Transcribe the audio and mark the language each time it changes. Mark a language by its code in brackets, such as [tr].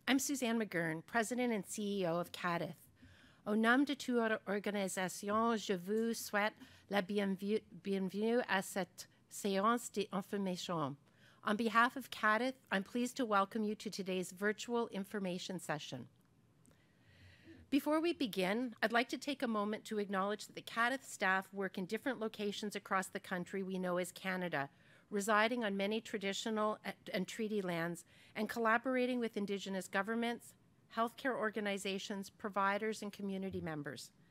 [en] I'm Suzanne McGurn, President and CEO of CADTH. [fr] Au nom de toute organisation, je vous souhaite la bienvenue à cette séance d'information. [en] On behalf of CADTH, I'm pleased to welcome you to today's virtual information session. Before we begin, I'd like to take a moment to acknowledge that the CADTH staff work in different locations across the country we know as Canada, residing on many traditional and treaty lands and collaborating with Indigenous governments, healthcare organizations, providers, and community members.